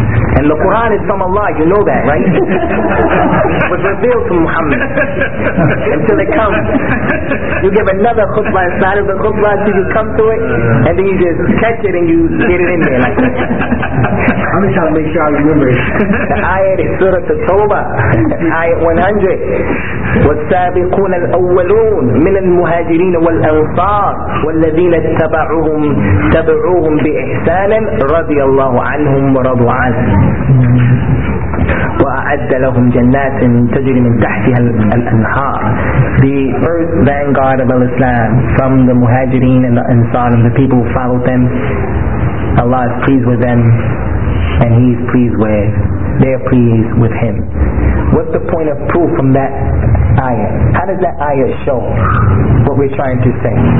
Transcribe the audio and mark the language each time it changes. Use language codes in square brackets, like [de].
[en] And the Quran is from Allah, you know that, right? Was revealed to Muhammad. Until it comes, you give another khutbah inside of the khutbah until you come to it, and then you just catch it and you get it in there like that. I I'm just trying to make sure I remember it. Ayat Surah At-Tawbah, Ayat 100. [ar] والسابقون الأولون من المهاجرين والأنصار والذين تبعوهم بإحسان رضي الله عنهم ورضوا عنه وأعد لهم جنات تجري من تحتها الأنهار. [en] The first vanguard of Islam from the Muhajirin and the Ansar and the people who followed them, Allah is pleased with them and He is pleased with they are pleased with Him. What's the point of proof from that ayah? How does that ayah show what we're trying to say?